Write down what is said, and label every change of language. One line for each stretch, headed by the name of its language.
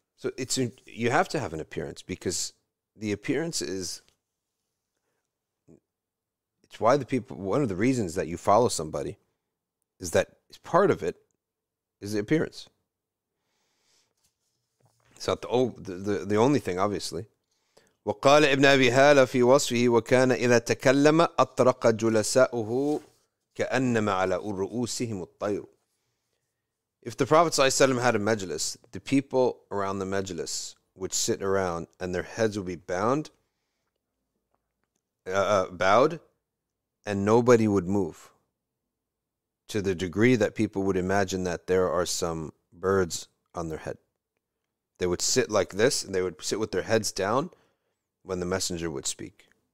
English: So it's, you have to have an appearance, because the appearance is, it's why the people, one of the reasons that you follow somebody is that part of it is the appearance. It's not the only thing, obviously.
Arabic: وقال ابن أبي هالة في وصفه وكان إذا تكلم أطرق جلساؤه كأنما على رؤوسهم الطير.
English: If the Prophet ﷺ had a majlis, the people around the majlis would sit around and their heads would be bowed, and nobody would move. To the degree that people would imagine that there are some birds on their head, they would sit like this and they would sit with their heads down when the messenger would speak.